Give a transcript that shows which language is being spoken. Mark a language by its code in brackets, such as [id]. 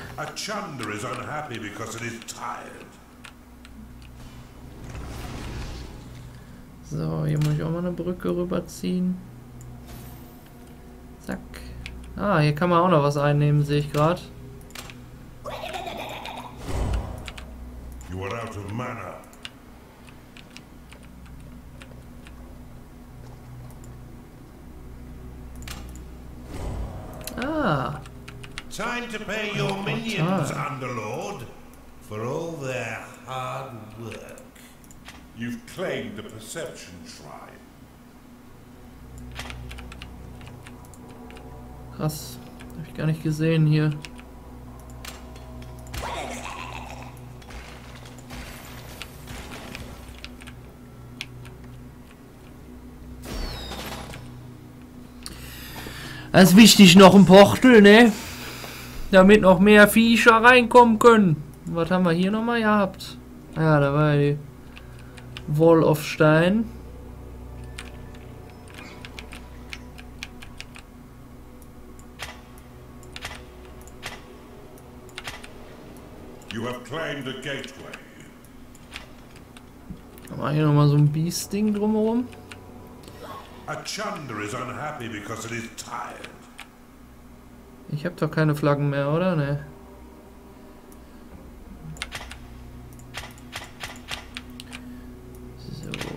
[en] A Chunder is unhappy because it is tired. [de] So, hier muss ich auch mal eine Brücke rüberziehen. Zack. Ah, hier kann man auch noch was einnehmen, sehe ich gerade. [en] You are out of mana. Ah. Time to pay your minions, Underlord, for all their hard work. You've claimed the Perception Shrine. [de] Krass, hab ich gar nicht gesehen hier. Das ist wichtig, noch ein Pochtel, ne? Damit noch mehr Viecher reinkommen können. Was haben wir hier nochmal gehabt? Ja, da war die Wall of Stein. [en] You have climbed a gateway. [de] Da war hier nochmal so ein Beast-Ding drumherum. [en] A Chunder is unhappy because it is tired. [de] Ich hab doch keine Flaggen mehr, oder? Ne. So.